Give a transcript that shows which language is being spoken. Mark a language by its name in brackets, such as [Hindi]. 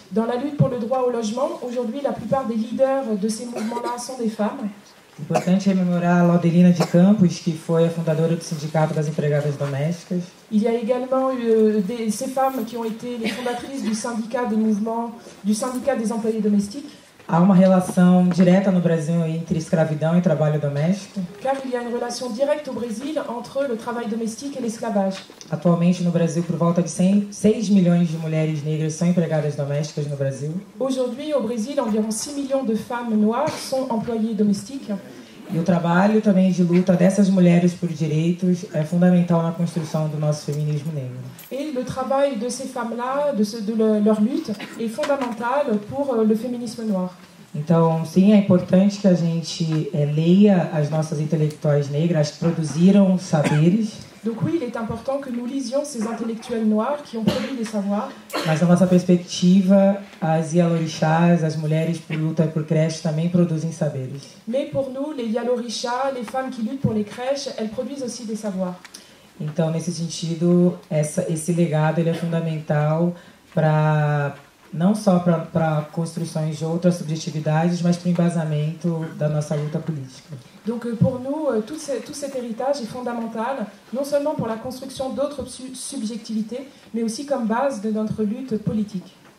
[French] Dans la lutte pour le droit au logement, aujourd'hui la plupart des leaders de ces mouvements-là sont des femmes. [Portuguese] Importante rememorar a Laudelina de Campos, que foi a fundadora do Sindicato das Empregadas Domésticas. [French] Il y a également ces femmes qui ont été les fondatrices du syndicat des employés domestiques. [Portuguese] Há uma relação direta no Brasil entre escravidão e trabalho doméstico. [French] Car il y a une relation directe au Brésil entre le travail domestique et l'esclavage. [Portuguese] Atualmente no Brasil, por volta de 6 milhões de mulheres negras são empregadas domésticas no Brasil. [French] Aujourd'hui au Brésil, environ 6 millions de femmes noires sont employées domestiques. [Portuguese] E o trabalho também de luta dessas mulheres por direitos é fundamental na construção do nosso feminismo negro. E o trabalho [French] de ces femmes-là, de leur lutte, é fundamental pour le féminisme noir. [Portuguese] Então, sim, é importante que a gente leia as nossas intelectuais negras que produziram saberes. [French] Donc oui, il est important que nous lisions ces intellectuels noirs qui ont produit des savoirs. [Portuguese] Mas na nossa perspectiva, as yalorixás, as mulheres por luta por creche também produzem saberes. [French] Mais pour nous, les yalorixás, les femmes qui luttent pour les crèches, elles produisent aussi des savoirs. [Portuguese] Então, nesse sentido, esse legado ele é fundamental para não só para construções de outras subjetividades, mas para o embasamento da nossa luta política. [French] Donc pour nous, tout cet héritage est fondamental, non seulement pour la construction d'autres subjectivités, mais aussi comme base de notre lutte politique.